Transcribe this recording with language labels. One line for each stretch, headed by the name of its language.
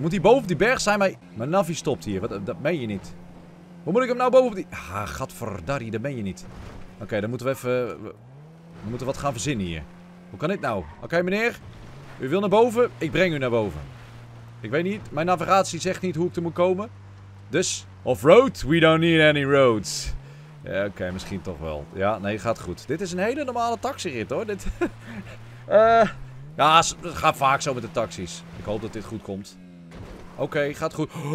Dutch: Moet hij boven die berg zijn? Mijn navi stopt hier, dat meen je niet. Hoe moet ik hem nou boven die... Ah, gadverdarrie, dat meen je niet. Oké, dan moeten we even... We moeten wat gaan verzinnen hier. Hoe kan dit nou? Oké, meneer. U wil naar boven? Ik breng u naar boven. Ik weet niet, mijn navigatie zegt niet hoe ik er moet komen.
English: Dus, off-road, we don't need any roads.
Dutch: Ja, oké, misschien toch wel. Ja, nee, gaat goed. Dit is een hele normale taxirit, hoor. Dit... ja, het gaat vaak zo met de taxis. Ik hoop dat dit goed komt. Oké, gaat goed.